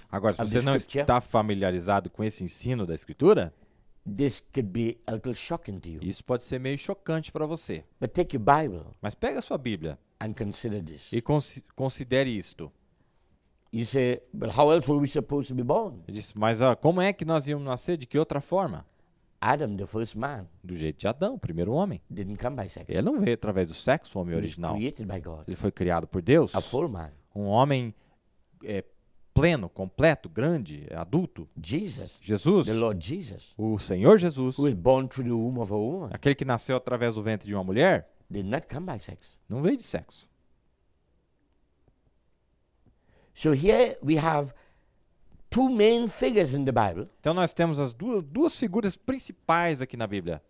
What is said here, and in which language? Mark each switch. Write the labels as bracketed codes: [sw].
[pt] Agora, se você não está familiarizado com esse ensino da escritura, [en] this could be a little shocking to you. [pt] Isso pode ser meio chocante para você. [en] But take your Bible. [pt] Mas pega a sua Bíblia. [en] And consider this. [pt] E considere isto. [en] You say, but how else were we supposed to be born? [pt] Diz, mas como é que nós íamos nascer? De que outra forma? [en] Adam, the first man, [pt] do jeito de Adão, o primeiro homem. [en] Didn't come by sex. [pt] Ele não veio através do sexo, o homem original. [en] He was created by God. [pt] Ele foi criado por Deus. [en] A full man. [pt] Um homem pleno, completo, grande, adulto. [en] Jesus. [pt] Jesus. [en] The Lord Jesus. [pt] O Senhor Jesus. [en] Who is born through the womb of a woman. [pt] Aquele que nasceu através do ventre de uma mulher. [en] Did not come by sex. [pt] Não veio de sexo. [en] So here we have two main figures in the Bible. [pt] Então nós temos as duas figuras principais aqui na Bíblia.